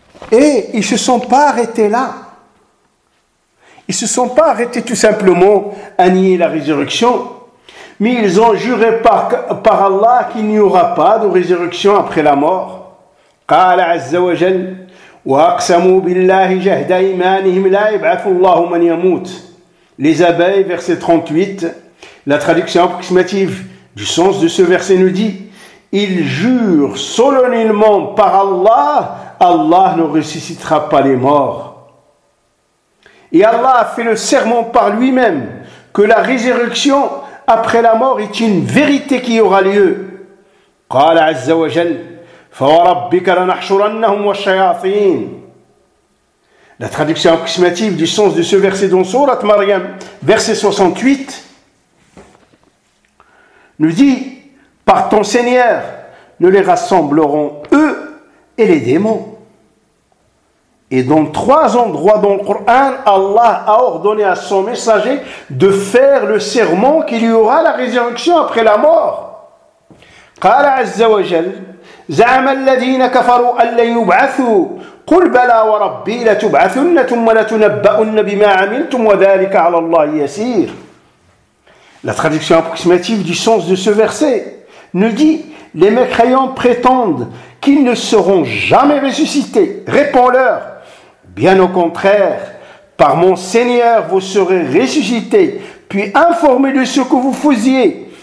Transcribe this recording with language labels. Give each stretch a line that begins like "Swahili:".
French: Et ils ne se sont pas arrêtés là. Ils ne se sont pas arrêtés tout simplement à nier la résurrection. Mais ils ont juré par Allah qu'il n'y aura pas de résurrection après la mort.
Arabic: قال عز وجل وأقسموا بالله جهد إيمانهم لا يبعث الله من يموت.
French: Les abeilles, verset 38. La traduction approximative du sens de ce verset nous dit: ils jurent solennellement par Allah, Allah ne ressuscitera pas les morts. Et Allah a fait le serment par lui-même que la résurrection après la mort est une vérité qui aura lieu.
Arabic: قال عز وجل فوربك لنحشرنهم والشياطين.
French: La traduction approximative du sens de ce verset dans Sourate Maryam, verset 68, nous dit: par ton Seigneur, nous les rassemblerons, eux et les démons. Et dans trois endroits dans le Coran, Allah a ordonné à son messager de faire le serment qu'il y aura la résurrection après la mort.
Arabic: قال عز وجل زعم الذين كفروا أن لن يبعثوا قل بلى وربي لتبعثن ثم لتنبؤن بما عملتم وذلك على الله يسير.
French: La traduction approximative du sens de ce verset nous dit: les mécréants prétendent qu'ils ne seront jamais ressuscités. Réponds-leur: bien au contraire, par mon Seigneur vous serez ressuscités, puis informés de ce que vous faisiez.